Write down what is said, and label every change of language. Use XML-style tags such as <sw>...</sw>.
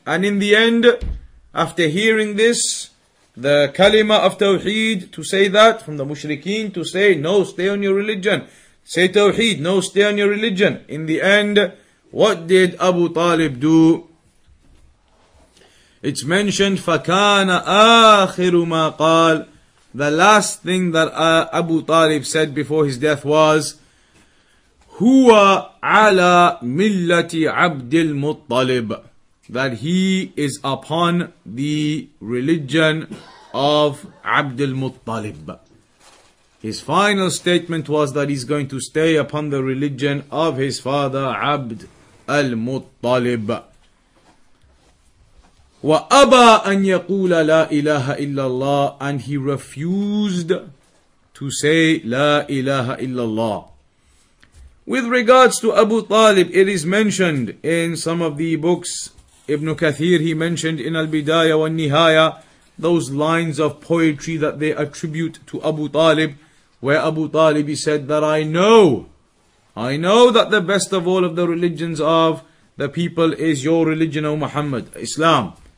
<en>And in the end, after hearing this, the kalima of Tawheed, to say that from the mushrikeen, to say, no, stay on your religion. Say Tawheed, no, stay on your religion. In the end, what did Abu Talib do? It's mentioned,</en> <ar>فَكَانَ آخِرُ مَا قَالَ.</ar> <en>The last thing that Abu Talib said before his death was,</en> <ar>هُوَ عَلَى مِلَّةِ عَبْدِ الْمُطَّلِبِ,</ar> <en>that he is upon the religion of Abd al-Muttalib. His final statement was that he's going to stay upon the religion of his father, Abd al-Muttalib.</en> <ar>وَأَبَى أَنْ يَقُولَ لَا إِلَهَ إِلَّا اللَّهِ,</ar> <en>and he refused to say</en> <ar>لَا إِلَهَ إِلَّا اللَّهِ.</ar> <en>With regards to Abu Talib, it is mentioned in some of the books. Ibn Kathir, he mentioned in Al-Bidayah wa Nihaya, those lines of poetry that they attribute to Abu Talib, where Abu Talib, he said that I know that the best of all of the religions of the people is your religion, O Muhammad, Islam.</en>